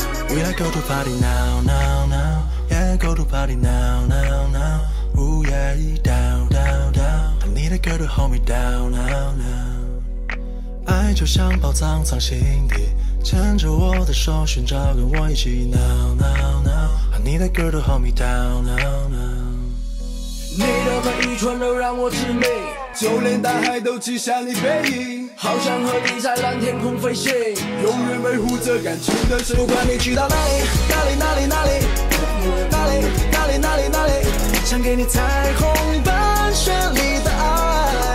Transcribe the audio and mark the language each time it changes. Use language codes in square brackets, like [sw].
[en] We like go to party now, now, now. Yeah, go to party now, now, now. Ooh yeah, down, down, down. I need a girl to hold me down, now, now. [zh] 爱就像宝藏藏心底，牵着我的手寻找跟我一起。 [en] Now, now, now. I need a girl to hold me down, now, now. [zh] 你的每一寸都让我痴迷，就连大海都记下你背影，好想和你在蓝天空飞行，永远维护着感情的身影。不管你去到哪里，哪里哪里哪里哪里哪里哪里哪里，想给你彩虹般绚丽的爱。